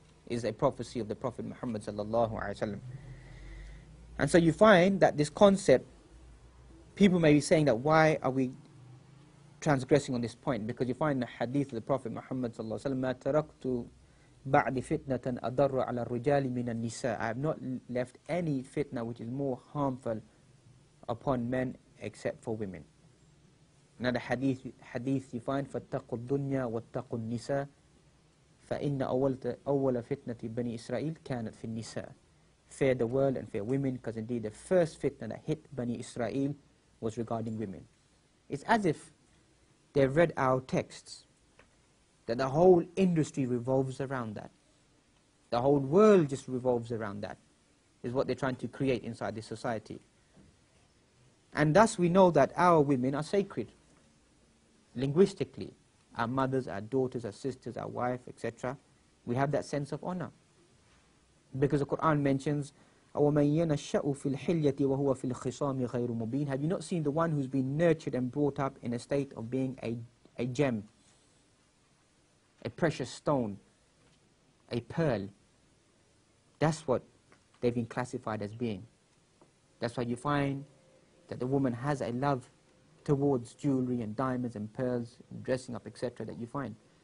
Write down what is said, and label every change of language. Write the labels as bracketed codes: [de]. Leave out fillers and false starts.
[en] Is a prophecy of the Prophet Muhammad sallallahu alaihi wasallam. And so you find that this concept, people may be saying that why are we transgressing on this point? Because you find the hadith of the Prophet Muhammad sallallahu alaihi wasallam, [ar] ما تركت بعد فتنة أضر على الرجال من النساء. [en] I have not left any fitna which is more harmful upon men except for women. Now the hadith you find, [ar] فاتقوا الدنيا واتقوا النساء فَإِنَّ أَوَّلَ فِتْنَةِ بَنِي إِسْرَائِيلِ كَانَتْ فِي النِّسَاءِ. [en] Fear the world and fear women, because indeed the first fitna that hit Bani Israel was regarding women. It's as if they've read our texts, that the whole industry revolves around that. The whole world just revolves around that, is what they're trying to create inside this society. And thus we know that our women are sacred, linguistically. Our mothers, our daughters, our sisters, our wife, etc. We have that sense of honor. Because the Quran mentions, [ar] وَمَنْ يَنَشَّأُ فِي الْحِلْيَةِ وَهُوَ فِي الْخِصَامِ غَيْرُ مُبِينَ. [en] Have you not seen the one who's been nurtured and brought up in a state of being a gem, a precious stone, a pearl? That's what they've been classified as being. That's why you find that the woman has a love towards jewelry and diamonds and pearls, and dressing up, etc., that you find.